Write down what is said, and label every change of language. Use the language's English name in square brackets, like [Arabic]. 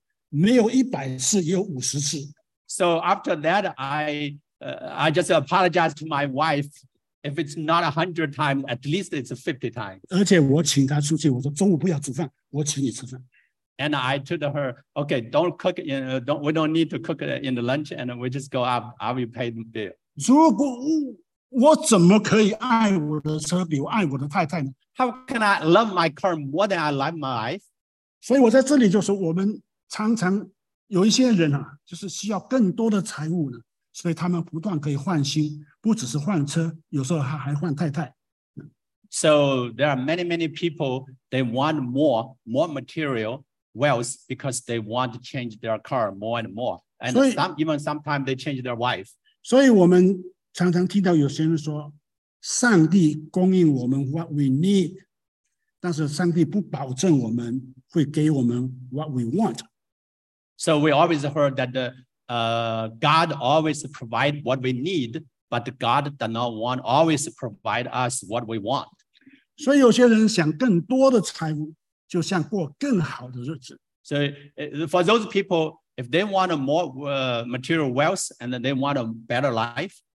[Chinese] 后来我向她道歉了,起码没有100次,有50次。 [English] So after that, I just apologized to my wife. If it's not 100 times, at least it's 50 times. [Chinese] 而且我请她出去,我说中午不要煮饭,我请你吃饭。 [English] And I told her, okay, don't cook, we don't need to cook in the lunch, and we just go out, I will pay the bill. [Chinese] 如果我怎么可以爱我的车比我爱我的太太呢? [English] How can I love my car more than I love my wife? [Chinese] 所以我在这里就说,我们常常有一些人啊, 就是需要更多的财务呢, 所以他们不断可以换新,不只是换车, 有时候还换太太。 [English] So there are many, many people, they want more material wealth because they want to change their car more and more. And 所以, sometimes they change their wife. [Chinese] 所以我们常常听到有些人说, 上帝供应我们 [English] what we need, [Chinese] 但是上帝不保证我们会给我们 [English] what we want. So we always heard that God always provide what we need, but God does not want always provide us what we want. [Chinese] 所以有些人想更多的财务, 就像过更好的日子。 [English] So for those people, if they want a more material wealth and then they want a better life,